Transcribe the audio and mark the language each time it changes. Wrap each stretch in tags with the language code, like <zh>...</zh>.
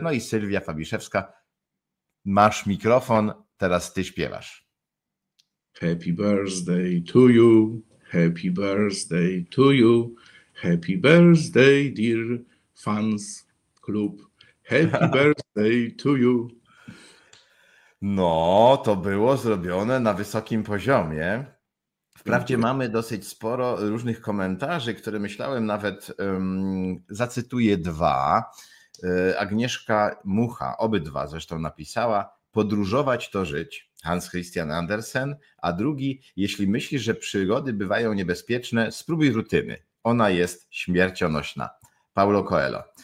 <pl>No i Sylwia Fabiszewska, masz mikrofon, teraz ty śpiewasz.</pl> <en>Happy birthday to you, happy birthday to you, happy birthday dear fans club, happy birthday to you.</en> <pl>No, to było zrobione na wysokim poziomie. Wprawdzie mamy dosyć sporo różnych komentarzy, które myślałem nawet, zacytuję dwa. Agnieszka Mucha, obydwa zresztą napisała, podróżować to żyć, Hans Christian Andersen, a drugi, jeśli myślisz, że przygody bywają niebezpieczne, spróbuj rutyny, ona jest śmiercionośna. Paulo Coelho.</pl>